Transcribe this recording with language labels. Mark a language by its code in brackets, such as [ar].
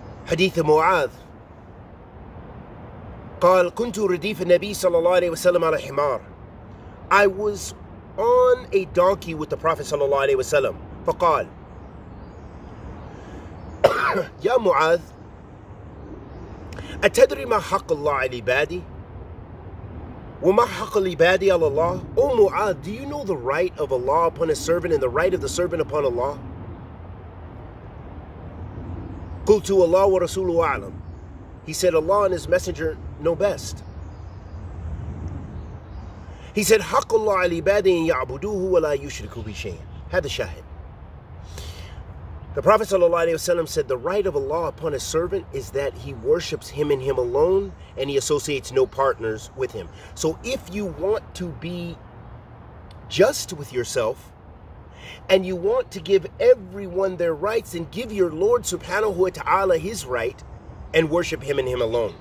[ar] حديث معاذ قال كنت رديف النبي صلى الله عليه وسلم على حمار. [en] I was on a donkey with the Prophet [ar] صلى الله عليه وسلم. فقال يا معاذ أتدري ما حق الله على عبادي وما حق العبادي على الله. أو معاذ, [en] do you know the right of Allah upon a servant and the right of the servant upon Allah. [ar] قلت الله ورسوله أعلم. [en] He said, Allah and His Messenger know best. He said, [ar] حق الله على عبادي أن يعبدوه ولا يشركوا به شيئا. هذا شاهد. [en] The Prophet ﷺ said, the right of Allah upon a servant is that he worships him and him alone, and he associates no partners with him. So if you want to be just with yourself, and you want to give everyone their rights, then give your Lord subhanahu wa ta'ala his right, and worship him and him alone.